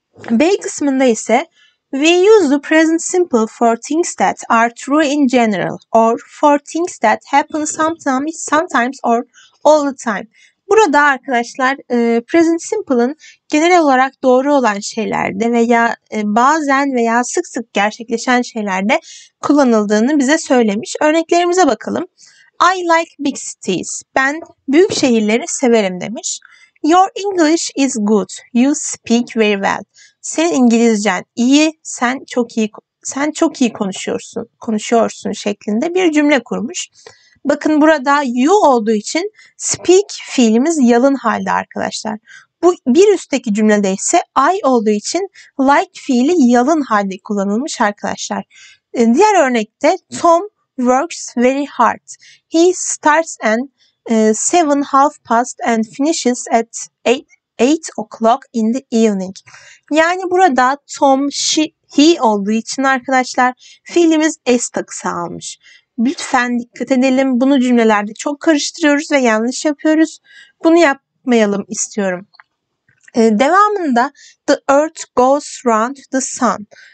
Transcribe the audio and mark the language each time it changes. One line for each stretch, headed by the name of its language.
Turkish: B kısmında ise
English: we use the present simple for things that are true in general or for things that happen sometimes or all the time.
Turkish: Burada arkadaşlar present simple'ın genel olarak doğru olan şeylerde veya bazen veya sık sık gerçekleşen şeylerde kullanıldığını bize söylemiş. Örneklerimize bakalım.
English: I like big cities.
Turkish: Ben büyük şehirleri severim demiş.
English: Your English is good. You speak very well.
Turkish: Senin İngilizcen iyi, sen çok iyi konuşuyorsun şeklinde bir cümle kurmuş. Bakın burada you olduğu için speak fiilimiz yalın halde arkadaşlar. Bu bir üstteki cümlede ise I olduğu için like fiili yalın halde kullanılmış arkadaşlar. Diğer örnekte
English: Tom works very hard. He starts and 7 half past and finishes at 8 o'clock in the evening.
Turkish: Yani burada Tom he olduğu için arkadaşlar fiilimiz s takısı almış. Lütfen dikkat edelim. Bunu cümlelerde çok karıştırıyoruz ve yanlış yapıyoruz. Bunu yapmayalım istiyorum. Devamında
English: the earth goes round the sun.